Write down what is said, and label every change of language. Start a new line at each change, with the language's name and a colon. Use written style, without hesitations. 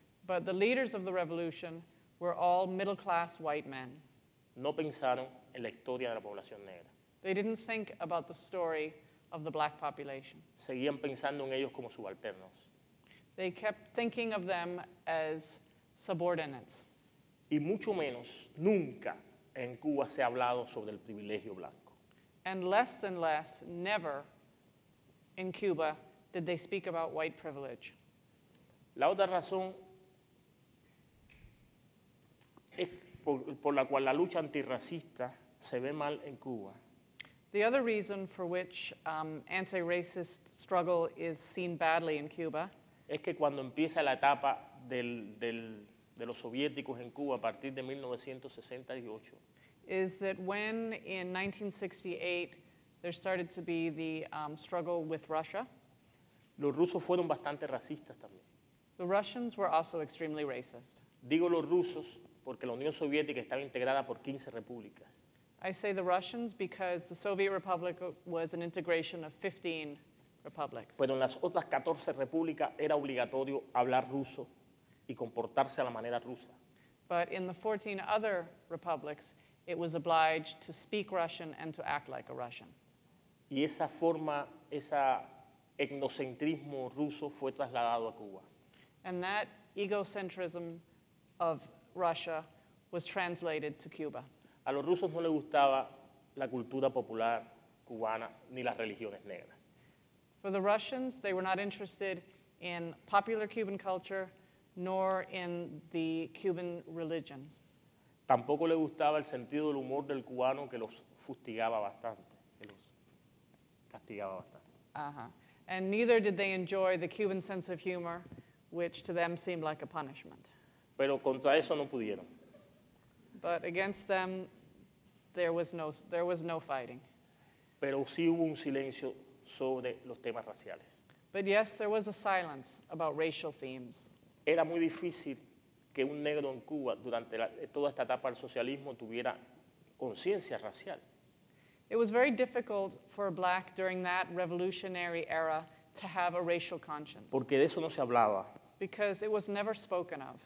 English: But the leaders of the revolution were all middle-class white men.
Spanish: No pensaron en la historia de la población negra.
English: They didn't think about the story of the black population.
Spanish: Seguían pensando en ellos como subalternos.
English: They kept thinking of them as subordinates.
Spanish: Y mucho menos, nunca en Cuba se ha hablado sobre el privilegio blanco.
English: And less than less, never in Cuba did they speak about white privilege.
Spanish: La otra razón es por la cual la lucha antirracista se ve mal en Cuba.
English: The other reason for which anti-racist struggle is seen badly in Cuba
Spanish: es que cuando empieza la etapa de los soviéticos en Cuba a partir de 1968
English: is that when in 1968 there started to be the struggle with Russia.
Spanish: Los rusos fueron bastante racistas también.
English: The Russians were also extremely racist.
Spanish: Digo los rusos porque la Unión Soviética estaba integrada por 15 repúblicas.
English: I say the Russians because the Soviet Republic was an integration of 15 republics.
Spanish: Pero en las otras 14 repúblicas era obligatorio hablar ruso y comportarse a la manera rusa.
English: But in the 14 other republics, it was obliged to speak Russian and to act like a Russian.
Spanish: Y esa forma, ese etnocentrismo ruso fue trasladado a Cuba.
English: And that egocentrism of Russia was translated to Cuba.
Spanish: A los rusos no les gustaba la cultura popular cubana ni las religiones negras.
English: For the Russians, they were not interested in popular Cuban culture nor in the Cuban religions.
Spanish: Tampoco les gustaba el sentido del humor del cubano que los fustigaba bastante, que los castigaba bastante.
English: And neither did they enjoy the Cuban sense of humor, which to them seemed like a punishment.
Spanish: Pero contra eso no pudieron.
English: But against them, There was no fighting.
Spanish: Pero sí hubo un silencio sobre los temas raciales.
English: But yes, there was a silence about racial themes.
Spanish: Era muy difícil que un negro en Cuba durante toda esta etapa del socialismo tuviera conciencia racial.
English: It was very difficult for a black during that revolutionary era to have a racial conscience.
Spanish: Porque de eso no se hablaba.
English: Because it was never spoken of.